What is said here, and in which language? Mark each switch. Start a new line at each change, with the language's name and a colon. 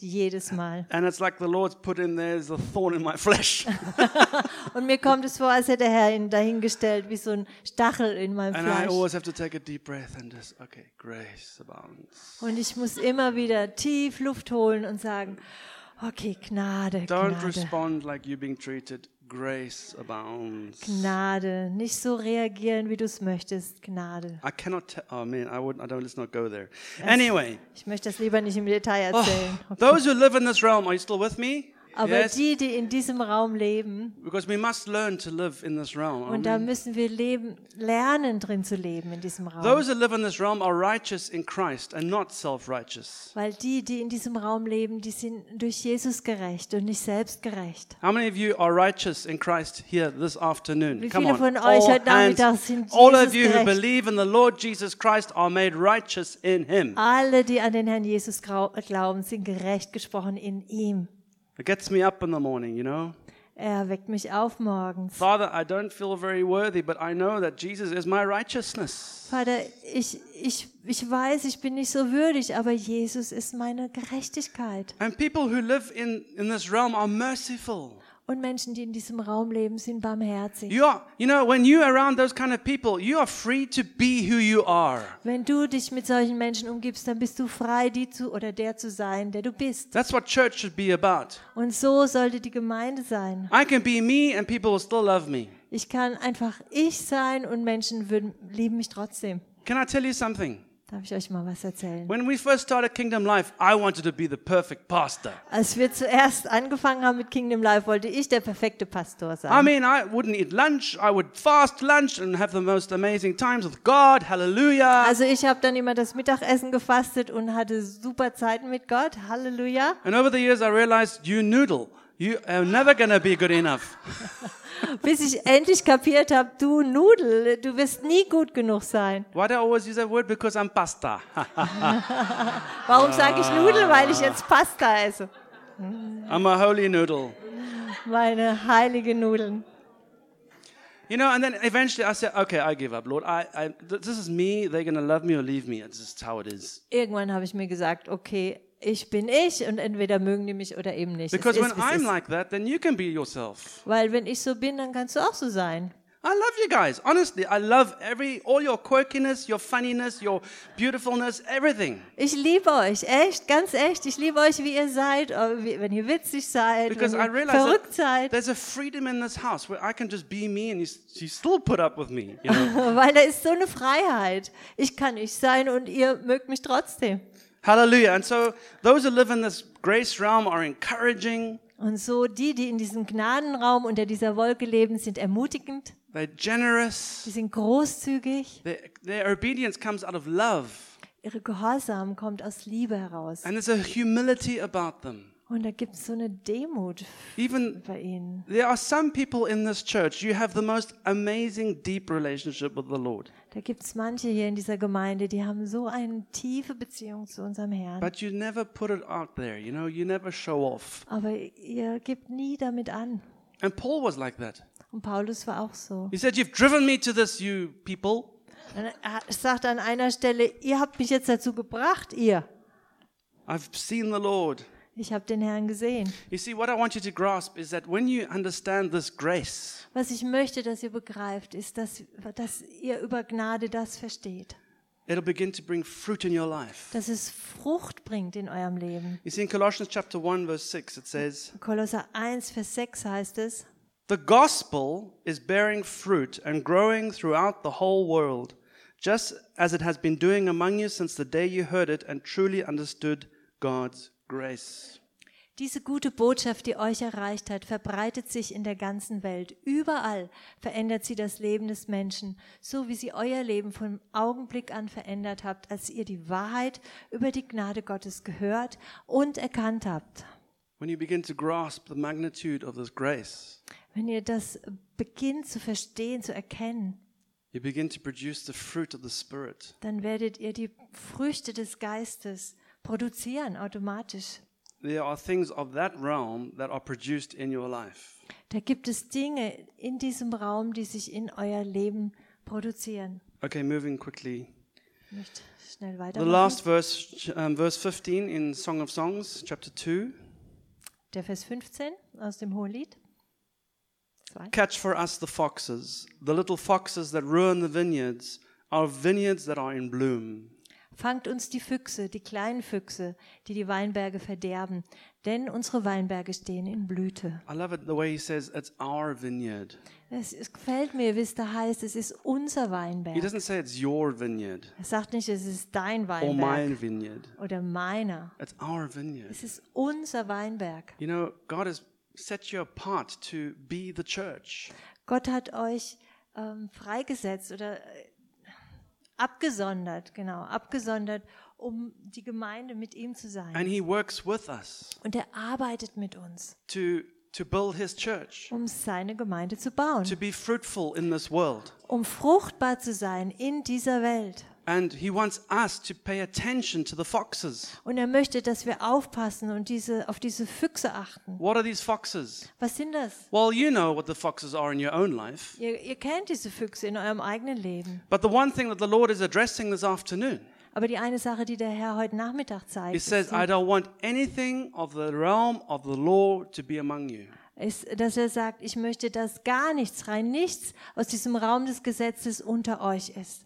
German: Jedes Mal.
English: And it's like the Lord's put in there as a thorn in my flesh.
German: Und mir kommt es vor, als hätte der Herr ihn dahingestellt wie so ein Stachel in meinem
English: and
German: Fleisch.
English: And I always have to take a deep breath and just, okay, grace abounds.
German: Und ich muss immer wieder tief Luft holen und sagen, okay, Gnade,
English: don't
German: Gnade.
English: Don't respond like you're being treated. Grace abounds.
German: Gnade, nicht so reagieren, wie du es möchtest. Gnade.
English: I cannot. Let's not go there. Anyway.
German: Ich möchte das lieber nicht im Detail erzählen.
English: Okay. Those who live in this realm, are you still with me?
German: Aber
English: yes.
German: die in diesem Raum leben.
English: Because we must learn to live in this realm.
German: Und da müssen wir lernen, drin zu leben in diesem Raum.
English: Those who live in this realm are righteous in Christ and not self-righteous.
German: Weil die in diesem Raum leben, die sind durch Jesus gerecht und nicht selbstgerecht.
English: How many of you are righteous in Christ here this afternoon?
German: Wie viele von euch heute Nachmittag sind Jesus
English: all of you
German: gerecht?
English: Who believe in the Lord Jesus Christ are made righteous in Him.
German: Alle, die an den Herrn Jesus glauben, sind gerecht gesprochen in ihm.
English: It gets me up in the morning, you know.
German: Er weckt mich auf morgens.
English: Father, I don't feel very worthy, but I know that Jesus is my righteousness.
German: Vater, ich weiß, ich bin nicht so würdig, aber Jesus ist meine Gerechtigkeit.
English: And people who live in this realm are merciful.
German: Und Menschen, die in diesem Raum leben, sind barmherzig.
English: You are, you know, when you're around those kind of people, you are free to be who you are.
German: Wenn du dich mit solchen Menschen umgibst, dann bist du frei, die zu oder der zu sein, der du bist.
English: That's what church should be about.
German: Und so sollte die Gemeinde sein.
English: I can be me and people will still love me.
German: Ich kann einfach ich sein und Menschen würden lieben mich trotzdem.
English: Can I tell you something?
German: Darf ich euch mal was erzählen?
English: When we first started Kingdom Life, I wanted to be the perfect pastor.
German: Als wir zuerst angefangen haben mit Kingdom Life, wollte ich der perfekte Pastor sein.
English: I mean, I wouldn't eat lunch. I would fast lunch and have the most amazing times with God. Hallelujah.
German: Also ich habe dann immer das Mittagessen gefastet und hatte super Zeiten mit Gott. Hallelujah.
English: And over the years, I realized you noodle. You are never gonna be good enough.
German: Bis ich endlich kapiert habe, du Nudel, du wirst nie gut genug sein.
English: Why do I always use that word? Because I'm pasta.
German: Warum sage ich Nudel? Weil ich jetzt Pasta esse.
English: I'm a holy noodle.
German: Meine heilige Nudeln.
English: You know, and then eventually I said, okay, I give up, Lord. This is me. They're gonna love me or leave me. This is how it is.
German: Irgendwann habe ich mir gesagt, okay. Ich bin ich und entweder mögen die mich oder eben nicht.
English: Because when I'm like that, then you can be yourself.
German: Weil wenn ich so bin, dann kannst du auch so sein.
English: I love you guys. Honestly, I love all your quirkiness, your funniness, your beautifulness, everything.
German: Ich liebe euch echt, ganz echt. Ich liebe euch, wie ihr seid, wenn ihr witzig seid, wenn ihr verrückt seid.
English: There's a freedom in this house where I can just be me and you still put up with me. You know?
German: Weil da ist so eine Freiheit. Ich kann ich sein und ihr mögt mich trotzdem. Hallelujah.
English: And so those who live in this grace realm are encouraging.
German: Und so die, die in diesem Gnadenraum unter dieser Wolke leben, sind ermutigend.
English: They're generous.
German: Sie sind großzügig.
English: Their obedience comes out of love.
German: Ihre Gehorsam kommt aus Liebe heraus.
English: And there's a humility about them.
German: Und da gibt's so eine Demut
English: Even
German: bei ihnen.
English: There are some people in this church, you have the most amazing deep relationship with the Lord.
German: Da gibt's manche hier in dieser Gemeinde, die haben so eine tiefe Beziehung zu unserem Herrn.
English: But you never put it out there, you know, you never show off.
German: Aber ihr gebt nie damit an.
English: And Paul was like that.
German: Und Paulus war auch so.
English: He said, you've driven me to this, you people.
German: Und er sagt an einer Stelle, ihr habt mich jetzt dazu gebracht, ihr.
English: I've seen the Lord.
German: Ich habe den Herrn gesehen.
English: You see, what I want you to grasp is that when you understand this grace.
German: Was ich möchte, dass ihr begreift, ist, dass ihr über Gnade das versteht.
English: It'll begin to bring fruit in your life.
German: Dass es Frucht bringt in eurem Leben.
English: You see, in Colossians chapter 1 verse 6 it says.
German: Kolosser 1 Vers 6 heißt es.
English: The gospel is bearing fruit and growing throughout the whole world, just as it has been doing among you since the day you heard it and truly understood God's Grace.
German: Diese gute Botschaft, die euch erreicht hat, verbreitet sich in der ganzen Welt. Überall verändert sie das Leben des Menschen, so wie sie euer Leben vom Augenblick an verändert habt, als ihr die Wahrheit über die Gnade Gottes gehört und erkannt habt.
English: When you begin to grasp the magnitude of this grace,
German: wenn ihr das beginnt zu verstehen, zu erkennen,
English: you begin to produce the fruit of the Spirit.
German: Dann werdet ihr die Früchte des Geistes produzieren automatisch.
English: There are things of that realm that are produced in your life.
German: Da gibt es Dinge in diesem Raum, die sich in euer Leben produzieren.
English: Okay, moving quickly.
German: Nicht schnell weiter.
English: The last verse, verse 15 in Song of Songs, chapter 2.
German: Der Vers 15 aus dem Hohelied.
English: Catch for us the foxes, the little foxes that ruin the vineyards, our vineyards that are in bloom.
German: Fangt uns die Füchse, die kleinen Füchse, die die Weinberge verderben, denn unsere Weinberge stehen in Blüte.
English: I love it the way he says it's our vineyard.
German: Es gefällt mir, wie es da heißt, es ist unser Weinberg.
English: He doesn't say it's your vineyard.
German: Er sagt nicht, es ist dein Weinberg.
English: Or my vineyard.
German: Oder meiner.
English: It's our vineyard.
German: Es ist unser Weinberg.
English: You know, God has set you apart to be the church.
German: Gott hat euch freigesetzt oder abgesondert, genau, abgesondert, um die Gemeinde mit ihm zu sein.
English: And he works with us.
German: Und er arbeitet mit uns.
English: To build his church.
German: Um seine Gemeinde zu bauen.
English: To be fruitful in this world.
German: Um fruchtbar zu sein in dieser Welt.
English: And he wants us to pay attention to the foxes.
German: Und er möchte, dass wir aufpassen und auf diese Füchse achten.
English: What are these foxes?
German: Was sind das?
English: Well, you know what the foxes are in your own life.
German: Ihr kennt diese Füchse in eurem eigenen Leben.
English: But the one thing that the Lord is addressing this afternoon.
German: Aber die eine Sache, die der Herr heute Nachmittag zeigt.
English: He says, I don't want anything of the realm of the law to be among you.
German: ist, dass er sagt, ich möchte, dass gar nichts, rein nichts aus diesem Raum des Gesetzes unter euch ist.